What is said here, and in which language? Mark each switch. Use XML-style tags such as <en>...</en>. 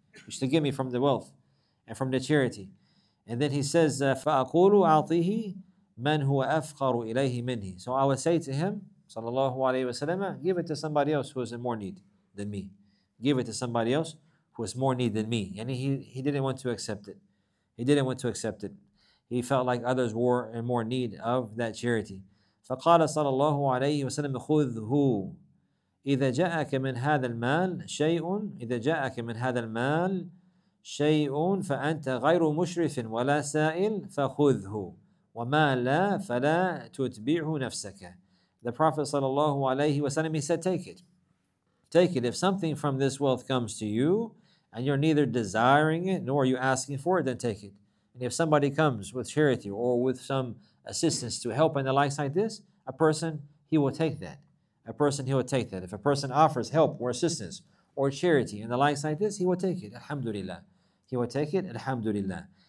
<en>He used to give me from the wealth and from the charity. And then he says,</en> <ar>فَأَقُولُ أَعْطِيهِ مَنْ هُوَ أَفْقَرُ إِلَيْهِ مِنْهِ</ar> <en>So I would say to him, sallallahu alayhi wa sallam, give it to somebody else who is in more need than me. Give it to somebody else who is more need than me. And he didn't want to accept it. He didn't want to accept it. He felt like others were in more need of that charity.</en> <ar>فَقَالَ sallallahu alayhi wa sallam, خُذْهُ إِذَا جَاءَكَ مِنْ هَذَا الْمَالِ شَيْءٌ إِذَا جَاءَكَ مِنْ هَذَا الْمَالِ شَيْءٌ فَأَنْتَ غَيْرُ مُشْرِفٍ وَلَا سَائِلٍ فَخُذْهُ وَمَا لَا فَلَا تُتْبِعُ نَفْسَكَ</ar> <en>The Prophet sallallahu alayhi wa sallam, he said, take it. Take it. If something from this wealth comes to you, and you're neither desiring it, nor are you asking for it, then take it. And if somebody comes with charity, or with some assistance to help in the likes like this, a person, he will take that. A person, he will take that. If a person offers help or assistance or charity in the likes like this, he will take it. Alhamdulillah. He will take it. Alhamdulillah.</en>